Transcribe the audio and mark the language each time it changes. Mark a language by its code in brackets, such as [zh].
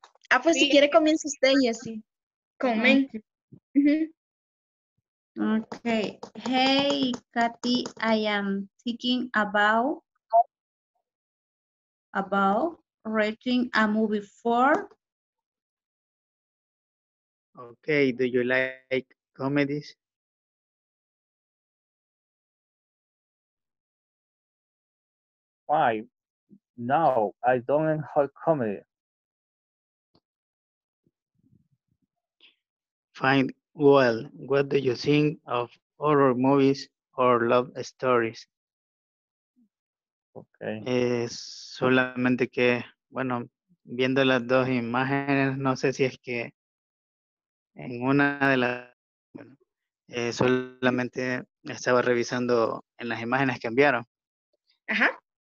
[es] Ah, pues sí. Si quiere comienza usted, Jesse. Comen. Uh-huh. Mm-hmm. Okay. [en] Hey, Kathy, I am thinking about writing a movie for. Okay, do you like comedies? Why? No, I don't enjoy comedy. Fine. Well, what do you think of horror movies or love stories? Okay. [es] Solamente que, bueno, viendo las dos imágenes, no sé si es que en una de las... solamente estaba revisando en las imágenes que enviaron. Ajá.